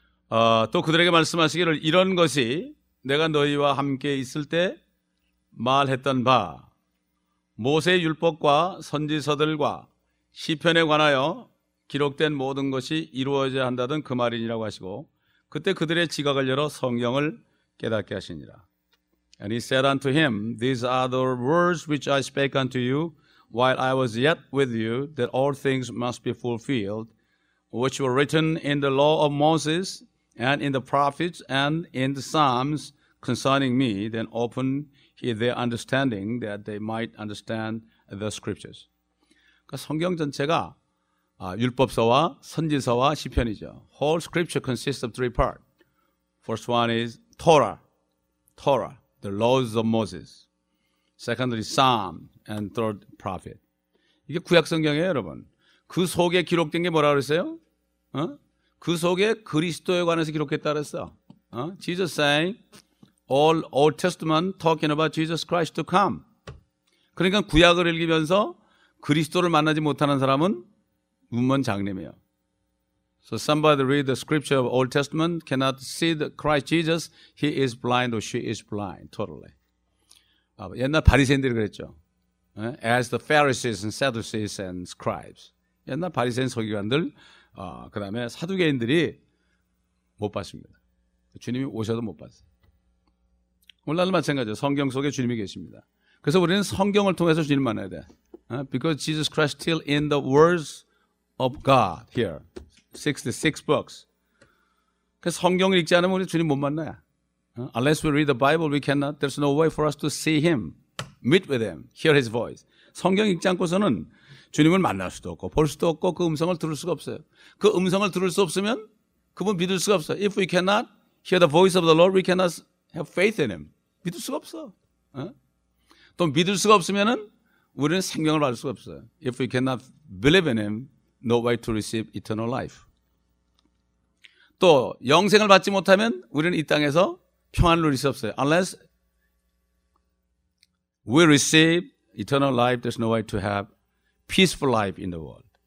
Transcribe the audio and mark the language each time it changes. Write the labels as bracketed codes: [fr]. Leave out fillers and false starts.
[ko] 또 그들에게 말씀하시기를 이런 것이 내가 너희와 함께 있을 때 말했던 바 모세의 율법과 선지서들과 시편에 관하여 기록된 모든 것이 이루어져야 한다던 그 말이니라고 하시고 그때 그들의 지각을 열어 성경을 깨닫게 하시니라. [en] And he said unto him, These are the words which I spake unto you while I was yet with you, that all things must be fulfilled, which were written in the law of Moses, and in the prophets, and in the Psalms concerning me, then open he their understanding, that they might understand the scriptures. [ko] 그러니까 성경 전체가 율법서와 선지서와 시편이죠. [en] Whole scripture consists of three parts. First one is Torah, the laws of Moses. Secondly, Psalm, and third, prophet. [ko] 이게 구약 성경이에요, 여러분. 그 속에 기록된 게 뭐라고 그랬어요? 그 속에 그리스도에 관해서 기록했다고 했어. [en] Jesus saying, All Old Testament talking about Jesus Christ to come. [ko] 그러니까 구약을 읽으면서 그리스도를 만나지 못하는 사람은 문문장님이에요. [en] So somebody read the scripture of Old Testament cannot see the Christ Jesus. He is blind or she is blind, totally. [ko] 옛날 바리새인들이 그랬죠. [en] As the Pharisees and Sadducees and scribes. [ko] 옛날 바리새인 서기관들 그 다음에 사두개인들이 못 봤습니다. 주님이 오셔도 못 봤어요. 오늘날 마찬가지죠. 성경 속에 주님이 계십니다. 그래서 우리는 성경을 통해서 주님을 만나야 돼. [en] Because Jesus Christ still in the words of God here. 66 books. [ko] 그래서 성경을 읽지 않으면 우리 주님 못 만나요. [en] Unless we read the Bible, we cannot. There's no way for us to see him, meet with him, hear his voice. [ko] 성경 읽지 않고서는 주님을 만날 수도 없고 볼 수도 없고 그 음성을 들을 수가 없어요. 그 음성을 들을 수 없으면 그분 믿을 수가 없어요. [en] If we cannot hear the voice of the Lord, we cannot have faith in him. [ko] 믿을 수가 없어. 또 믿을 수가 없으면은 우리는 생명을 받을 수가 없어요. [en] If we cannot believe in him, no way to receive eternal life. [ko] 또 영생을 받지 못하면 우리는 이 땅에서 평안을 누릴 수 없어요. [en] Unless we receive eternal life, there's no way to have peaceful life in the world.